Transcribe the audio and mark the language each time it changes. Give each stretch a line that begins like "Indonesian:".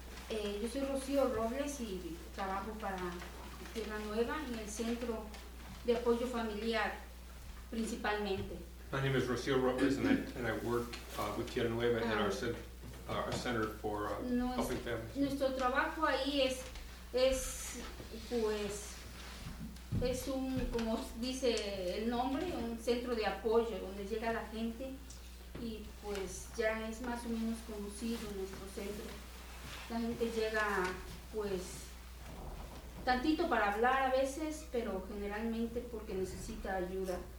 Spanish: Yo soy Rocío Robles y trabajo para Tierra Nueva en el Centro de Apoyo Familiar principalmente.
English: My name is Rocío Robles and I work with Tierra Nueva and our center for helping families.
Spanish: Nuestro trabajo ahí es un, como dice el nombre, un centro de apoyo donde llega la gente. Y pues ya es más o menos conocido nuestro centro. La gente llega pues tantito para hablar a veces, pero generalmente porque necesita ayuda.